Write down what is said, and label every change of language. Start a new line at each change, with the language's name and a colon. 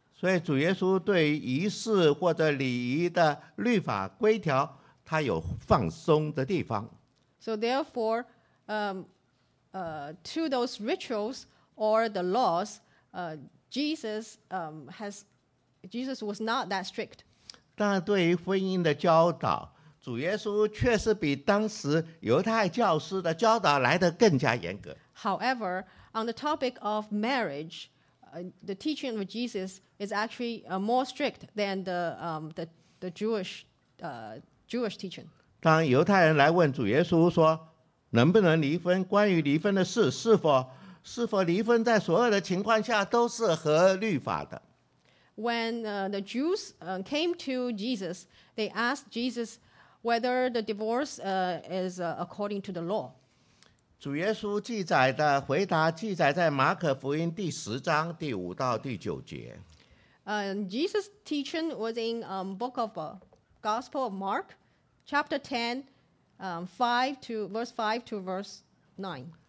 Chinese: 所以主耶稣对仪式或者礼仪的律法规条他有放松的地方。
English: So therefore, to those rituals or the laws,Jesus was not that strict.
Chinese: 但对于婚姻的教导，主耶稣确实比当时犹太教师的教导来得更加严格。
English: However, on the topic of marriage, the teaching of Jesus is actually more strict than the Jewish teaching.
Chinese: 当犹太人来问主耶稣说，能不能离婚？关于离婚的事，是否离婚在所有的情况下都是合律法的。
English: When the Jews came to Jesus, they asked Jesus whether the divorce is according to the law.
Chinese: 主耶稣记载的回答记载在马可福音第十章第五到第九节。
English: Jesus' teaching was in book of Gospel of Mark, chapter 10, verse 5 to verse 9.